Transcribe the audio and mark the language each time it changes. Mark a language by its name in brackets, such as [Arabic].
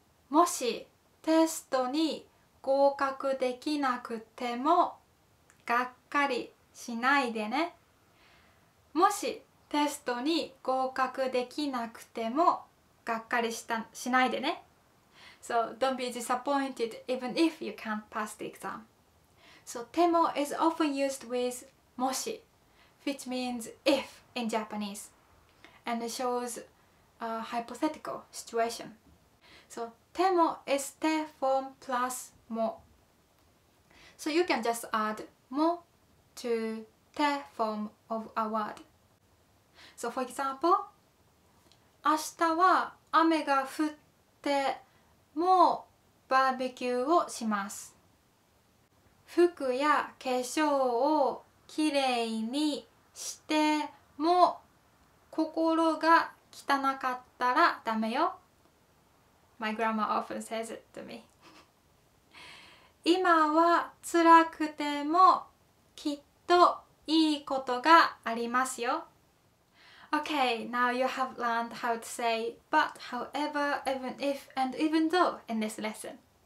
[Japanese] もしテストに合格できなくてもがっかりしないでね。もしテストに合格できなくてもがっかりしないでね。 [English] So don't be disappointed even if you can't pass the exam. So temo is often used with moshi, which means if in Japanese, and it shows a hypothetical situation. So, てもis て form plus も. So you can just add もto て form of a word. So for example, [Japanese] 明日は雨が降ってもバーベキューをします。服や化粧をきれいにしても心が汚かったらダメよ。 [English] My grandma often says it to me. [Japanese] 今は辛くてもきっといいことがありますよ。 [English] Okay, now you have learned how to say but, however, even if, and even though in this lesson.